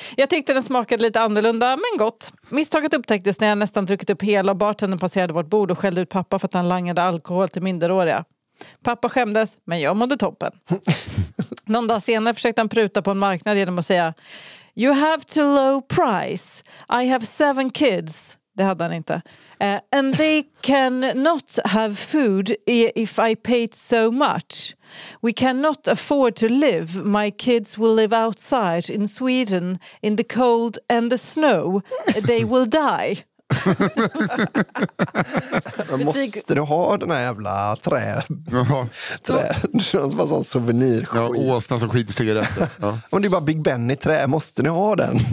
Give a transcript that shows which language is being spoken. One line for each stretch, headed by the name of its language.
Swedish: Jag tyckte den smakade lite annorlunda, men gott. Misstaget upptäcktes när jag nästan druckit upp hela och bartendern passerade vårt bord och skällde ut pappa för att han langade alkohol till minderåriga. Pappa skämdes, men jag mådde toppen. Någon dag senare försökte han pruta på en marknad genom att säga
English: "You have to low price. I have 7 kids."
Swedish: Det hade han inte.
English: "And they cannot have food if I paid so much. We cannot afford to live. My kids will live outside in Sweden in the cold and the snow. They will die."
Swedish: Men måste du ha den här jävla trä? Trä. Det känns bara som en souvenir. Ja, åsna som skiter cigaretter. Om det är bara Big Ben i trä, måste ni ha den?